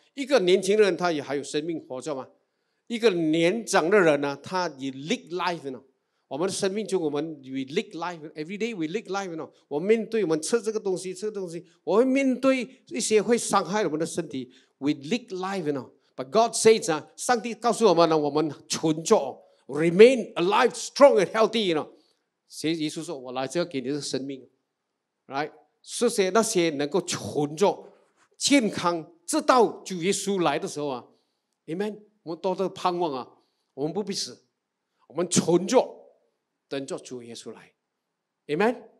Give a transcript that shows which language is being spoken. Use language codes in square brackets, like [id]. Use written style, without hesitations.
[zh] 一个年轻人他也还有生命活着嘛，一个年长的人呢、啊，他以 live life， you know，我们的生命中我们 we live life every day we live life， you know，我们面对我们吃这个东西吃这个东西，我们面对一些会伤害我们的身体 ， we live life， you know。 [en] But God says 啊，上帝告诉我们呢，我们存着，remain alive, strong and healthy， 呢 you know? ？ [zh] 耶稣说，我来这给你的生命 ，right？ 是些那些能够存着健康，直到主耶稣来的时候啊 ，Amen。我们多多盼望啊，我们不必死，我们存着，等着主耶稣来 ，Amen。